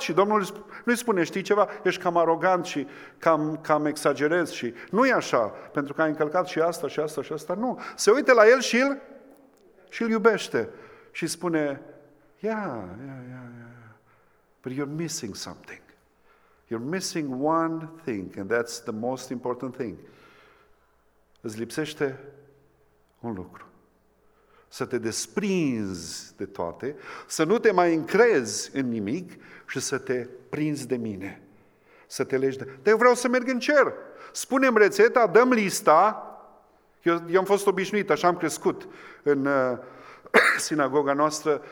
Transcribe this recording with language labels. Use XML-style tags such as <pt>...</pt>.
<ro>Și Domnul nu-i spune, știi ceva, ești cam arogant și cam exagerez. Și nu e așa, pentru că ai încălcat și asta și asta și asta. Nu, se uite la el și îl iubește și spune,</ro> <en>yeah, but you're missing something. You're missing one thing, and that's the most important thing.</en> <ro>Îți lipsește un lucru. Să te desprinzi de toate, să nu te mai încrezi în nimic și să te prinzi de mine. Să te legi de... Dar eu vreau să merg în cer. Spune-mi rețeta, dăm lista. Eu am fost obișnuit, așa am crescut în sinagoga noastră.</ro>